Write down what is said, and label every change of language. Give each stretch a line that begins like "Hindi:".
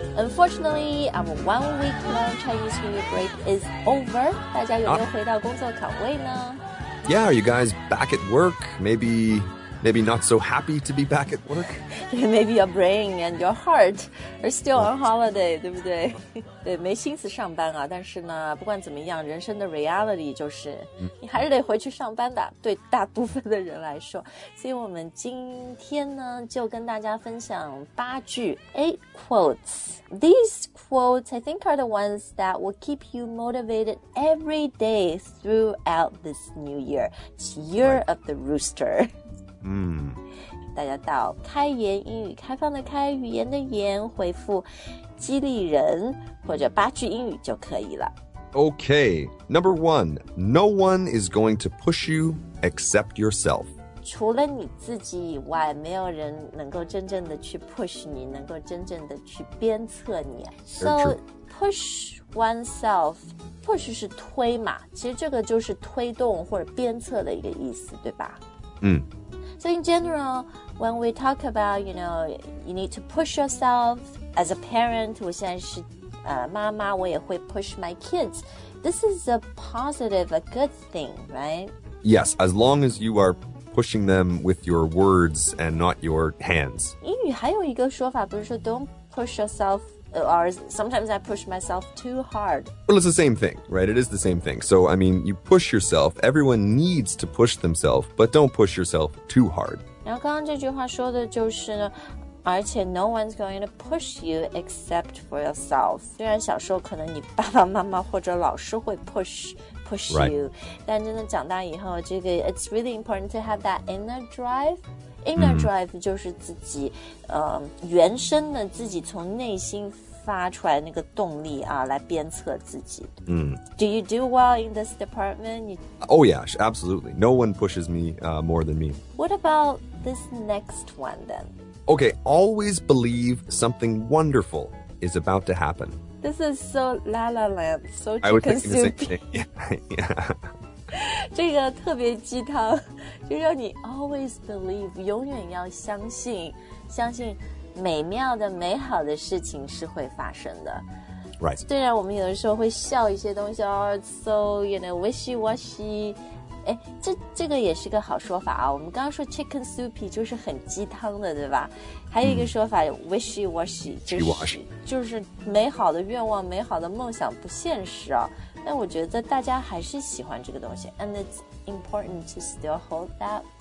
English: Unfortunately, our 1 week long Chinese New Year break is over.
Chinese: 大家有没有回到工作岗位呢？
English: Yeah, are you guys back at work? Maybe not so happy to be back at work? Maybe your brain and your heart are still on holiday,
Chinese: 对不对？对，没心思上班啊。但是呢，不管怎么样，人生的 reality 就是你还是得回去上班的，对大部分的人来说。所以我们今天呢，就跟大家分享八句
English: 8 quotes. These quotes, I think, are the ones that will keep you motivated every day throughout this new year. It's year、right. of the rooster.
Chinese: 大家到开言英语开放的开语言的言回复激励人或者八句英语就可以了
English: Okay, number one, no one is going to push you except yourself
Chinese: 除了你自己以外没有人能够真正的去 push 你能够真正的去鞭策你
English: So push oneself push
Chinese: 是推嘛其实这个就是推动或者鞭策的一个意思对吧
English: So in general, when we talk about, you know, you need to push yourself as a parent,
Chinese: 我现在是妈妈我也会
English: push my kids. This is a positive, a good thing, right? Yes, as long as you are pushing them with your words and not your hands. 英语还有一个说法不是说 don't push yourself, or sometimes I push myself too hard. Well, it's the same thing, right? It is the same thing. So, I mean, you push yourself. Everyone needs to push themselves, but don't push yourself too hard.
Chinese: 然后刚刚这句话说的就是呢而且
English: no one's going to push you except for yourself.
Chinese: 虽然小时候可能你爸爸妈妈或者老师会 push、
English: right. you,
Chinese: 但真的长大以后这个
English: it's really important to have that inner drive.
Chinese: Inner drive 就是自己、原生的自己从内心发出来那个动力啊来鞭策自己、
English: Do you do well in this department? Oh yeah, absolutely. No one pushes me、more than me. What about this next one then? Okay, always believe something wonderful is about to happen. This is so La La Land, so chicken I would think soupy. The same thing.
Chinese: 这个特别鸡汤就让你
English: always believe
Chinese: 永远要相信相信美妙的美好的事情是会发生的
English: Right
Chinese: 虽然我们有的时候会笑一些东西
English: Oh it's so you know wishy washy
Chinese: 哎，这个也是个好说法啊。我们刚刚说 chicken soupy 就是很鸡汤的对吧还有一个说法、wishy washy 就是美好的愿望美好的梦想不现实啊但我觉得大家还是喜欢这个东西
English: And it's important to still hold that